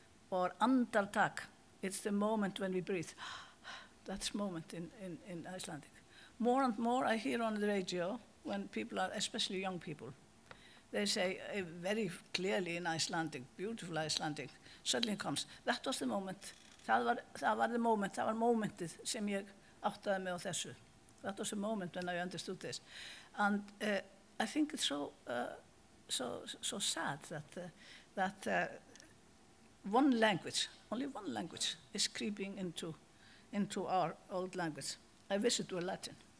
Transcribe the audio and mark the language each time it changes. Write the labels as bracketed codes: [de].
[en] Or andartak, it's the moment when we breathe. That's moment in Icelandic. More and more I hear on the radio when people are, especially young people, they say very clearly in Icelandic, beautiful Icelandic, suddenly comes, that was the moment. That was the momentið [is] sem ég áttaði mig á þessu. [en] That was the moment when I understood this. And I think it's so sad that one language, only one language, is creeping into our old language. I wish it were Latin.